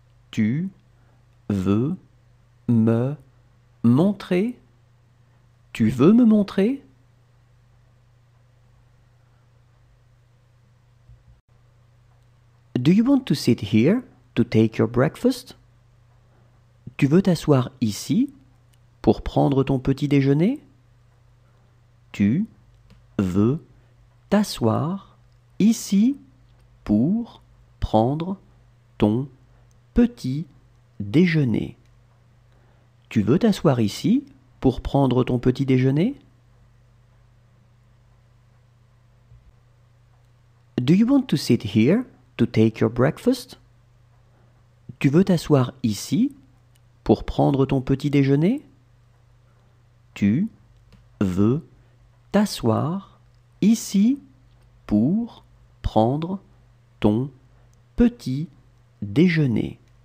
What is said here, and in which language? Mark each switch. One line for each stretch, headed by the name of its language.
French: Tu veux me montrer? Tu veux me montrer?
English: Do you want to sit here to take your breakfast?
French: Tu veux t'asseoir ici pour prendre ton petit déjeuner? Tu veux t'asseoir ici pour prendre ton petit déjeuner? Tu veux t'asseoir ici pour prendre ton petit déjeuner?
English: Do you want to sit here to take your breakfast?
French: Tu veux t'asseoir ici pour prendre ton petit déjeuner? Tu veux t'asseoir ici pour prendre ton petit déjeuner?